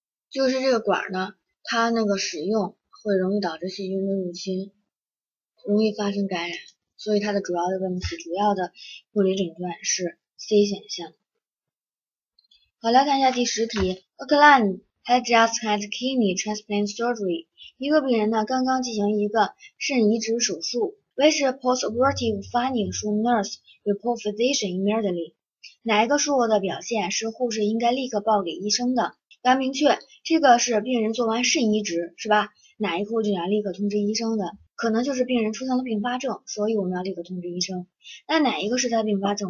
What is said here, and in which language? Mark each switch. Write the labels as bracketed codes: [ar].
[zh] 就是这个管呢，它那个使用会容易导致细菌的入侵，容易发生感染，所以它的主要的护理诊断是 C 选项。好，来看一下第十题。 [en] A client has just had kidney transplant surgery。 [zh] 一个病人呢，刚刚进行一个肾移植手术。 [en] Which postoperative finding should nurse report physician immediately? [zh] 哪一个术后的表现是护士应该立刻报给医生的？要明确，这个是病人做完肾移植，是吧？哪一个护士要立刻通知医生的？可能就是病人出现了并发症，所以我们要立刻通知医生。那哪一个是他的并发症？